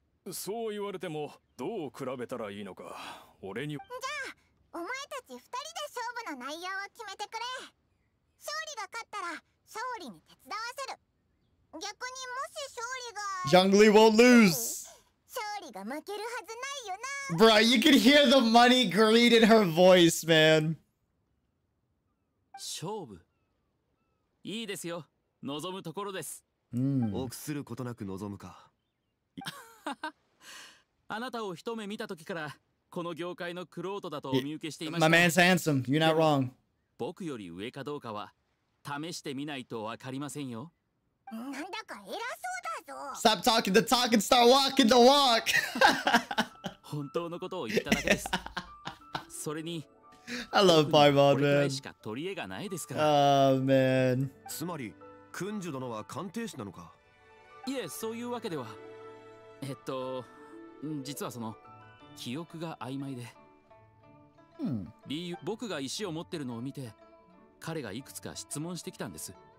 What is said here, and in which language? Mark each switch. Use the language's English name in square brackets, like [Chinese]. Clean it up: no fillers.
[Japanese] そう言われてもどう比べたらいいのか、俺に。じゃあお前たち二人で勝負の内容を決めてくれ。勝利が勝ったら勝利に手伝わせる。逆にもし勝利が。 [English] Zhong Li won't lose. Bruh, you can hear the money greed in her voice, man. [Japanese] 勝負。いいですよ。望むところです。臆することなく望むか。あなたを一目見た時からこの業界のクロートだとお見受けしていました。 [English] My man's handsome. You're not wrong. [Japanese] 僕より上かどうかは試してみないとわかりませんよ。なんだか偉そう。 [English] Stop talking the talk and start walking the walk. [Japanese] 本当のことを言っただけです。それに、 [English] I love Paimon, man. [Japanese] これしか取り柄がないですから。 [English] Oh, man. [Japanese] つまり、クンジュ殿は鑑定士なのか。いえ、そういうわけでは。実はその記憶が曖昧で。理由、僕が石を持ってるのを見て、彼がいくつか質問してきたんです。